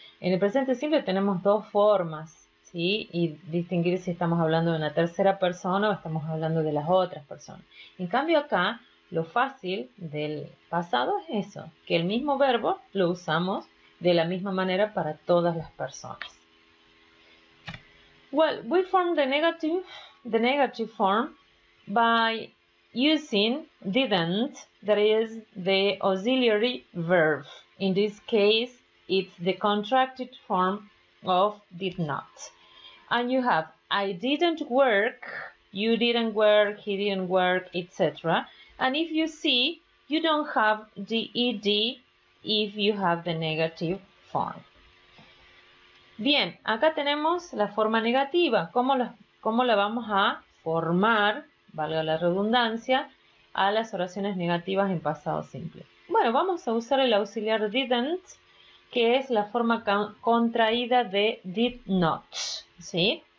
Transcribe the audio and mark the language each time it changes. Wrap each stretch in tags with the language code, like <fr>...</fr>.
<es>En el presente simple tenemos dos formas, ¿sí? Y distinguir si estamos hablando de una tercera persona o estamos hablando de las otras personas. En cambio acá, lo fácil del pasado es eso, que el mismo verbo lo usamos de la misma manera para todas las personas.</es> <en>Well, we form the negative form by using didn't, that is the auxiliary verb. In this case, it's the contracted form of did not. And you have, I didn't work, you didn't work, he didn't work, etc. And if you see, you don't have the ed if you have the negative form.</en> <es>Bien, acá tenemos la forma negativa. ¿Cómo la vamos a formar, valga la redundancia, a las oraciones negativas en pasado simple? Bueno, vamos a usar el auxiliar didn't, que es la forma contraída de did not, ¿sí?</es>